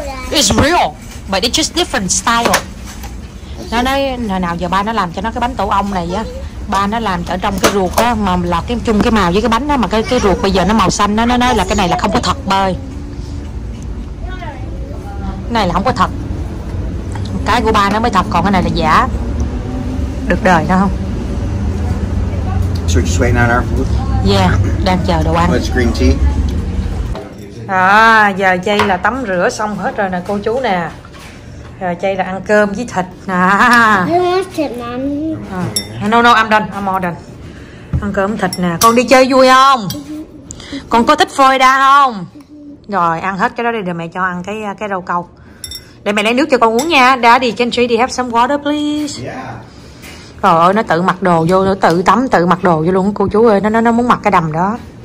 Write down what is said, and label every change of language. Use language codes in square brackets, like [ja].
[en] It's real, but it's just different style. [vi] Nó nói hồi nào giờ ba nó làm cho nó cái bánh tổ ong này á, ba nó làm ở trong cái ruột á, mà là cái chung cái màu với cái bánh á, mà cái ruột bây giờ nó màu xanh đó, nó nói là cái này là không có thật bơi, cái này là không có thật, cái của ba nó mới thật, còn cái này là giả, được đời nó không? [en] So we're just waiting on our food. [vi] Yeah, đang chờ đồ ăn. [en] What's green tea? [vi] À, giờ chay là tắm rửa xong hết rồi nè cô chú nè. Giờ chay là ăn cơm với thịt nè. Thịt nè. [en] No no, I'm done, I'm all done. [vi] Ăn cơm thịt nè. Con đi chơi vui không? Con có thích Florida không? Rồi ăn hết cái đó đi rồi mẹ cho ăn cái rau câu. Để mẹ lấy nước cho con uống nha. [en] Daddy, can JD have some water please? Yeah. [vi] Trời ơi, nó tự mặc đồ vô, nó tự tắm, tự mặc đồ vô luôn. Cô chú ơi, nó muốn mặc cái đầm đó.